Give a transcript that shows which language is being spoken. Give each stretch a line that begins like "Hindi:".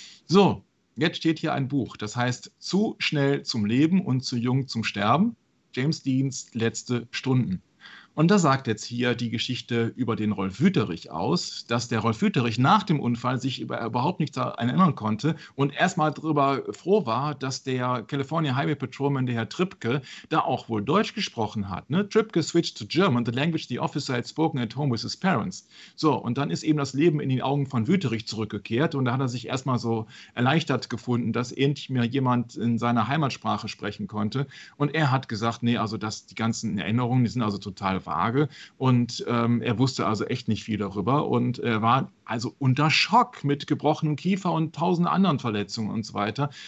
German: So, jetzt steht hier ein Buch, das heißt Zu schnell zum Leben und zu jung zum Sterben, James Deans letzte Stunden. Und da sagt jetzt hier die Geschichte über den Rolf Wüterich aus, dass der Rolf Wüterich nach dem Unfall sich überhaupt nichts daran erinnern konnte und erstmal darüber froh war, dass der California Highway Patrolman, der Herr Tripke, da auch wohl Deutsch gesprochen hat. Ne?
English: Tripke switched to German, the language the officer had spoken at home with his parents.
German: So, und dann ist eben das Leben in den Augen von Wüterich zurückgekehrt und da hat er sich erstmal so erleichtert gefunden, dass endlich mal jemand in seiner Heimatsprache sprechen konnte. Und er hat gesagt, nee, also dass die ganzen Erinnerungen, die sind also total vage und er wusste also echt nicht viel darüber und er war also unter Schock mit gebrochenem Kiefer und tausend anderen Verletzungen und so weiter.